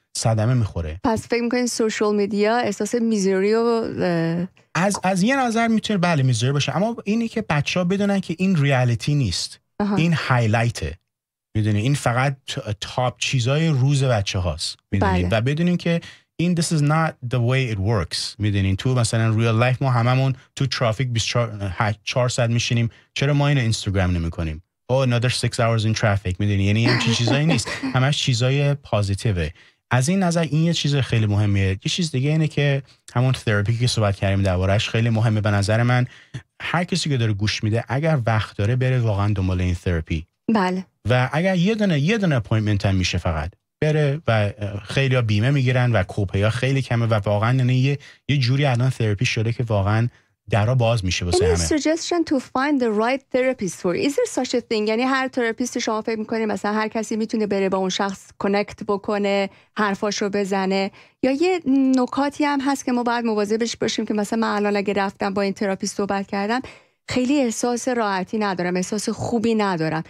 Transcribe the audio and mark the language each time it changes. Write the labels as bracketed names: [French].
[Persian] صدمه میخوره. پس فکر میکنین سوشال میدیا احساس میزری و از یه نظر میتونه بله میزری باشه، اما اینی که بچه ها بدونن که این ریالیتی نیست. اها. این هایلایته، میدونی این فقط تاپ چیزای روز بچه هاست، میدونی بله. و بدونین که این [English] this is not the way it works. [Persian] میدونین تو مثلا real life ما هممون تو ترافیک 24 ساعت میشینیم، چرا ما این اینستاگرام نمی کنیم؟ [English] Oh, another 6 hours in traffic. [Persian] میدونی یعنی این چیزایی نیست، همش چیزای پازیتیوه. از این نظر این یه چیز خیلی مهمه. یه چیز دیگه اینه که همون تراپی که صحبت کردیم دربارش خیلی مهمه به نظر من. هر کسی که داره گوش میده اگر وقت داره بره واقعا دنبال این تراپی. بله. و اگر یه دونه اپوینتمنت هم میشه فقط بره، و خیلی ها بیمه میگیرن و کوپه ها خیلی کمه، و واقعا یه جوری الان تراپی شده که واقعا درا باز میشه واسه همه. [English] suggestion to find the right therapist for. Is there such a thing؟ [Persian] یعنی هر تراپیستی شما فکر میکنید مثلا هر کسی میتونه بره با اون شخص کانکت بکنه، حرفاشو بزنه، یا یه نکاتی هم هست که ما باید مواظبش باشیم که مثلا من الان اگه رفتم با این تراپیست صحبت کردم خیلی احساس راحتی ندارم، احساس خوبی ندارم.